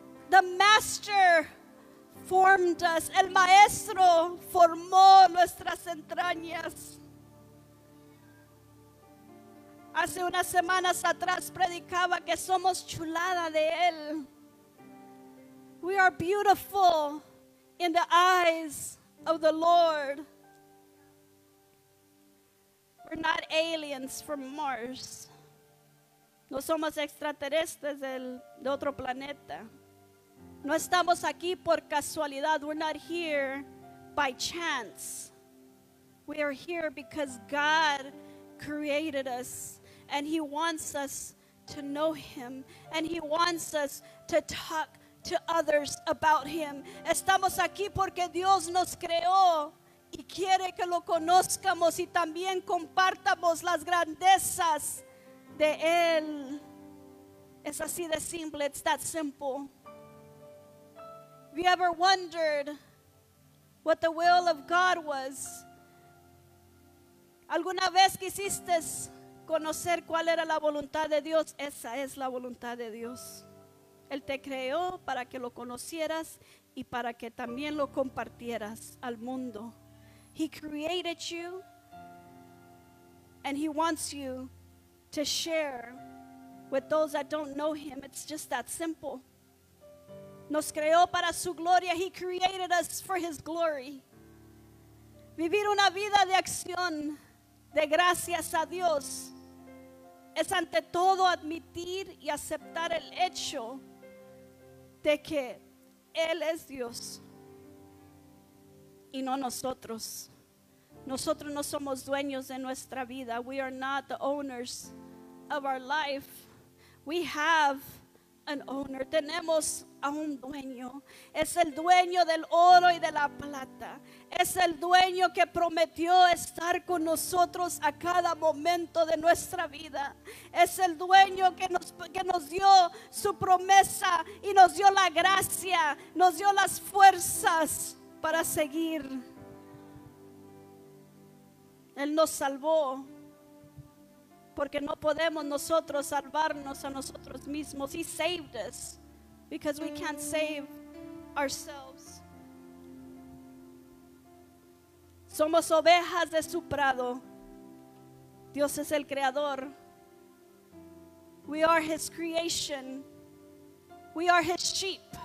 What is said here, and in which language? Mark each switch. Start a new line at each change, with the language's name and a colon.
English: The Master formed us.
Spanish: El Maestro formó nuestras entrañas. Hace unas semanas atrás predicaba que somos chulada de Él.
English: We are beautiful in the eyes of the Lord. We're not aliens from Mars.
Spanish: No somos extraterrestres de otro planeta. No estamos aquí por casualidad.
English: We're not here by chance. We are here because God created us, and He wants us to know Him, and He wants us to talk to others about Him.
Spanish: Estamos aquí porque Dios nos creó y quiere que lo conozcamos y también compartamos las grandezas de Él. Es así de simple.
English: It's that simple. Have you ever wondered what the will of God was?
Spanish: ¿Alguna vez quisiste conocer cuál era la voluntad de Dios? Esa es la voluntad de Dios. Él te creó para que lo conocieras y para que también lo compartieras al mundo.
English: He created you and He wants you to share with those that don't know Him. It's just that simple.
Spanish: Nos creó para su gloria.
English: He created us for His glory.
Spanish: Vivir una vida de acción, de gracias a Dios, es ante todo admitir y aceptar el hecho de que Él es Dios y no nosotros. Nosotros no somos dueños de nuestra vida.
English: We are not the owners of our life. We have an owner.
Spanish: Tenemos a un dueño. Es el dueño del oro y de la plata. Es el dueño que prometió estar con nosotros a cada momento de nuestra vida. Es el dueño que nos dio su promesa y nos dio la gracia, nos dio las fuerzas para seguir. Él nos salvó porque no podemos nosotros salvarnos a nosotros mismos.
English: He saved us because we can't save ourselves.
Spanish: Somos ovejas de su prado. Dios es el creador.
English: We are His creation. We are His sheep.